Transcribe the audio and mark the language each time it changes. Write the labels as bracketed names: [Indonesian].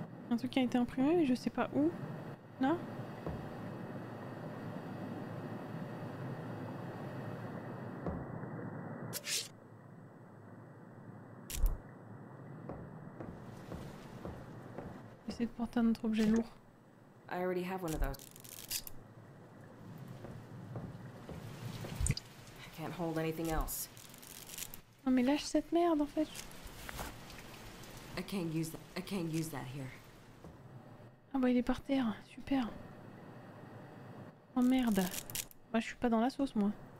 [French] Un truc qui a été imprimé, mais je sais pas où. Là. essayer de porter un autre objet lourd. [English] I already have one of those. I can't hold anything else. [French] Non mais lâche cette merde en fait. [English] I can't use that here. [French] Ah bah il est par terre, super. Oh merde. Bah je suis pas dans la sauce moi.